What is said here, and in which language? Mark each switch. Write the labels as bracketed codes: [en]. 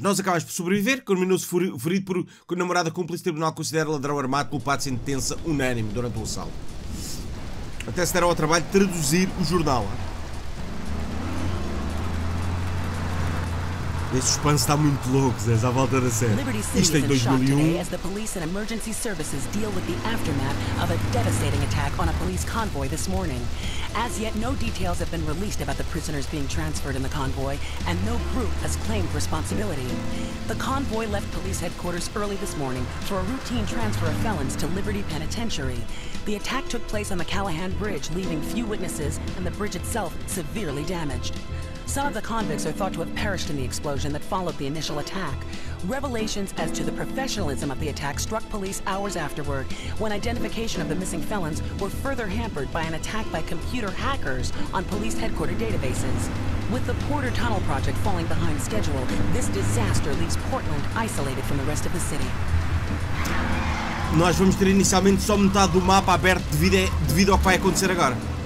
[pt] Nós acabamos por sobreviver, culminou-se ferido por que o namorado cúmplice tribunal considera ladrão armado culpado de sentença unânime durante o assalto. Até se deram ao trabalho de traduzir o jornal. Esse suspense está muito louco, Zé, à volta da série. Isto é em 2001. [en] As the police and emergency services deal with the aftermath of a devastating attack on a police convoy this morning. As yet, no details have been released about the prisoners being transferred in the convoy, and no group has claimed responsibility. The convoy left police headquarters early this morning for a routine transfer of felons to Liberty Penitentiary. The attack took place on the Callahan Bridge, leaving few witnesses and the bridge itself severely damaged. Some of the convicts are thought to have perished in the explosion that followed the initial attack. Revelations as to the professionalism of the attack struck police hours afterward, when identification of the missing felons were further hampered by an attack by computer hackers on police headquarters databases. With the Porter Tunnel project falling behind schedule, this disaster leaves Portland isolated from the rest of the city. [pt] Nós vamos ter inicialmente só metade do mapa aberto devido ao que vai acontecer agora.